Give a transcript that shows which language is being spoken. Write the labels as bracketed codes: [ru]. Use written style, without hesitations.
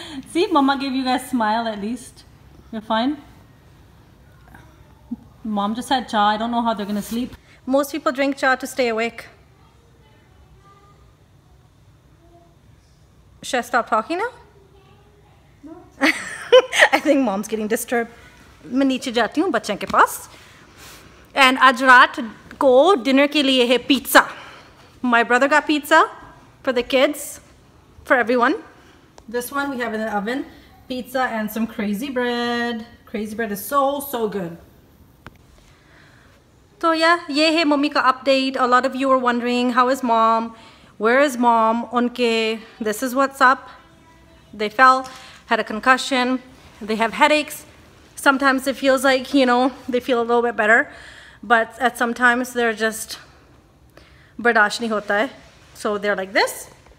[en] See, Mama gave you guys a smile at least. You're fine. Mom just had cha. I don't know how they're gonna sleep. Most people drink cha to stay awake. Should I stop talking now? No. I think Mom's getting disturbed. [hi] मैं नीचे जाती हूँ बच्चों के पास. And आज रात को dinner के लिए है pizza. [en] My brother got pizza for the kids, for everyone. This one we have in the oven, pizza and some crazy bread. Crazy bread is so good. [hi] तो यह ये है मम्मी का update. [en] A lot of you are wondering how is Mom. Where is Mom? Unke, this is what's up. They fell, had a concussion. They have headaches. Sometimes it feels like, you know, they feel a little bit better. But at some times they're just [hi] bardasht nahi hota hai. [en] So they're like this.